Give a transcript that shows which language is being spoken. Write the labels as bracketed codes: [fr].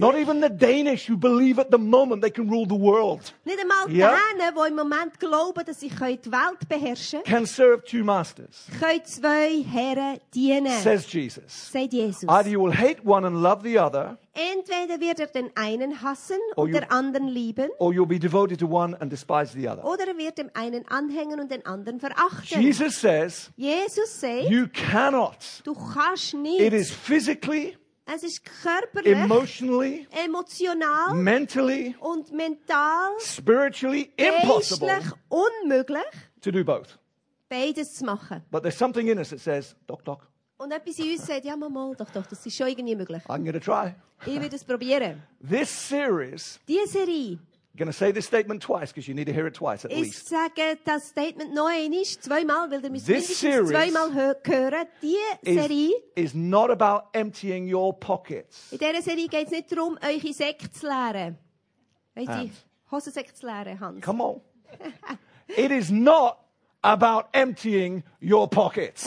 [en] Not even the Danish who believe at the moment they can rule the world. Not even the Danes who [de] im Moment glauben, dass sie können die Welt beherrschen. [en] Can serve two masters. [de] Können zwei Herren dienen. [en] Says Jesus. [de] Sagt Jesus. [en] Either you will hate one and love the other. [de] Entweder wird den einen hassen und den anderen lieben. [en] Or you'll be devoted to one and despise the other. [de] Oder wird dem einen anhängen und den anderen verachten. [en] Jesus says. [de] Jesus sagt. [en] You cannot. [de] Du kannst nicht. [en] It is physically. [de] Es ist körperlich. [en] Emotionally. [de] Emotional. [en] Mentally. [de] Und mental. [en] Spiritually impossible. [de] Unmöglich. [en] To do both. [de] Beides zu machen. [en] But there's something in us that says, doc, doc. [de] Und etwas in uns sagt, ja, mal, doch, das ist schon irgendwie möglich. [en] I'm gonna try. [de] Ich werde es probieren. [en] This series. [de] Die Serie. [en] Gonna say this statement twice, because you need to hear it twice at least. [de] Ich sage das Statement noch einmal, zweimal, weil du müsstest zweimal hören. Die Serie [en] is not about emptying your pockets. [de] In dieser Serie geht es nicht darum, eure Säcke zu leeren. Eure Hosensäcke zu leeren, Hans. [en] Come on. It is not about emptying your pockets.